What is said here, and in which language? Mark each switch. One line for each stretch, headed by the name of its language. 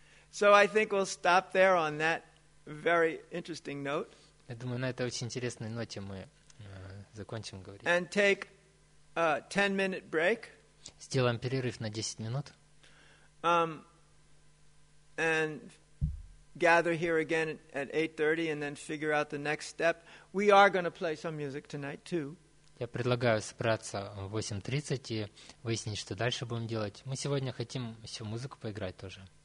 English: So I think we'll stop there on that very interesting note.
Russian: Я думаю, на этой очень интересной ноте мы закончим говорить.
English: And take a 10-minute break.
Russian: Сделаем перерыв на 10 минут.
English: And gather here again at 8:30 and then figure out the next step. We are going to play some music tonight too.
Russian: Я предлагаю собраться в 8:30 и выяснить, что дальше будем делать. Мы сегодня хотим еще музыку поиграть тоже.